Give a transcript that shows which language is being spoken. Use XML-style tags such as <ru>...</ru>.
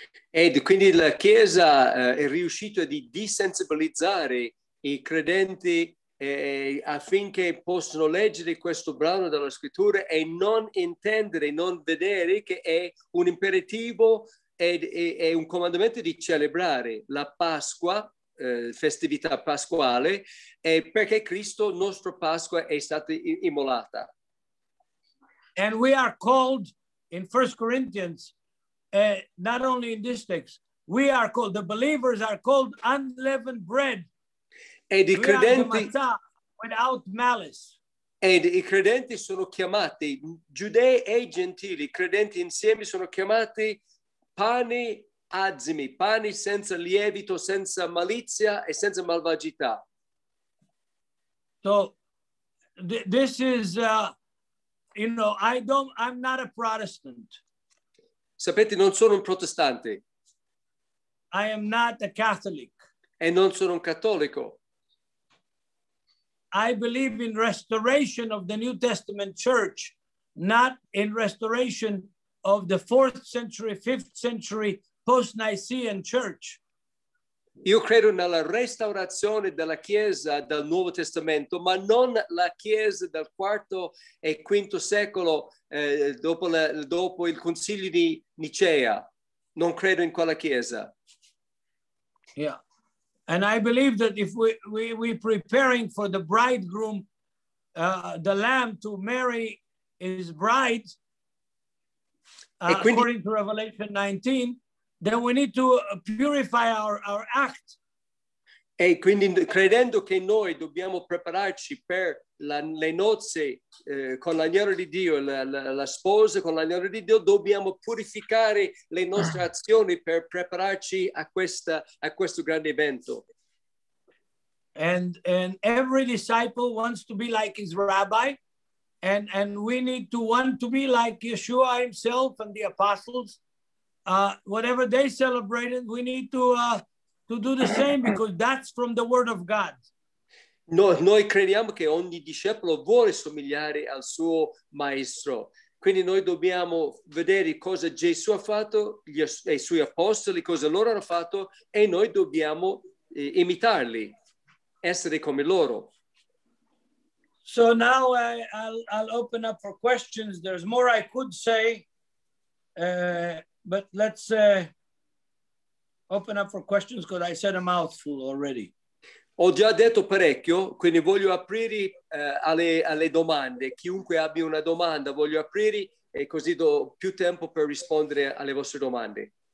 <it>Ed quindi la Chiesa è riuscita di desensibilizzare i credenti affinché possano leggere questo brano della Scrittura e non intendere, non vedere che è un imperativo ed è un comandamento di celebrare la Pasqua, festività pasquale, perché Cristo, nostro Pasqua, è stata immolata.</it> <en>And we are called in 1 Corinthians, not only in this text, we are called, the believers are called unleavened bread.</en> <it>Ed i credenti,</it> <en>without malice.</en> <it>Ed i credenti sono chiamati, giudei e gentili, credenti insieme sono chiamati pani azimi, pani senza lievito, senza malizia e senza malvagità.</it> <en>So, this is, I'm not a Protestant.</en> <it>Sapete, non sono un protestante.</it> <en>I am not a Catholic.</en> <it>E non sono un cattolico.</it> <en>I believe in restoration of the New Testament church, not in restoration of the 4th century, 5th century post-Nicene church.</en> <it>Io credo nella restaurazione della Chiesa del Nuovo Testamento, ma non la Chiesa del 4 e 5 secolo dopo il Concilio di Nicea. non credo in quella chiesa.</it> <en>Yeah. And I believe that if we preparing for the bridegroom, the lamb to marry his bride, quindi, according to Revelation 19, then we need to purify our act.</en> <it>E quindi credendo che noi dobbiamo prepararci per le nozze con l'agnello di Dio, la sposa con l'agnello di Dio, dobbiamo purificare le nostre azioni per prepararci a questo grande evento.</it> <en>And every disciple wants to be like his rabbi, and we need to want to be like Yeshua himself and the apostles. Whatever they celebrated, we need to do the same, because that's from the word of God.</en> <it>No, noi crediamo che ogni discepolo vuole somigliare al suo maestro. Quindi noi dobbiamo vedere cosa Gesù ha fatto, i suoi apostoli, cosa loro hanno fatto, e noi dobbiamo imitarli, essere come loro.</it> <en>So now I'll open up for questions. There's more I could say, but let's open up for questions, because I said a mouthful already.</en> <it>Ho già detto parecchio, quindi voglio aprire alle domande. Chiunque abbia una domanda, voglio aprire, e così do più tempo per rispondere alle vostre domande.</it>